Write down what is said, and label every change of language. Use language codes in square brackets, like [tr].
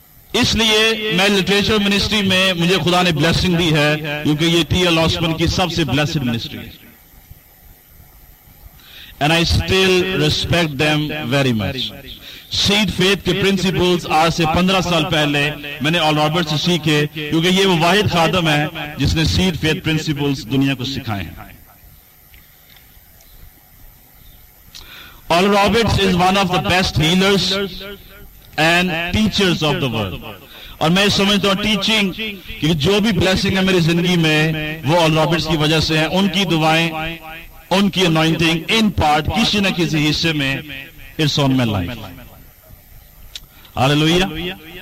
[hi] इसलिए मैं literature ministry में मुझे खुदा ने ब्लेसिंग दी है क्योंकि ये टी एल ऑस्मन की सबसे ब्लेस्ड मिनिस्ट्री है [en] And I still respect them very much. [hi] Seed faith के प्रिंसिपल्स आज से 15 साल पहले मैंने ऑल रॉबर्ट से सीखे क्योंकि ये वो वाहिद खादम है जिसने सीड फेथ प्रिंसिपल्स दुनिया को सिखाए हैं। [en] Oral Roberts is one of the best healers and teachers of the world. [hi] और मैं समझता हूं टीचिंग कि जो भी ब्लेसिंग है मेरी जिंदगी में वो ऑल रॉबर्ट्स की वजह से है उनकी दुआएं उनकी अनॉइंटिंग इन पार्ट किसी न किसी हिस्से में [en] It's on my life. [hi] Hallelujah.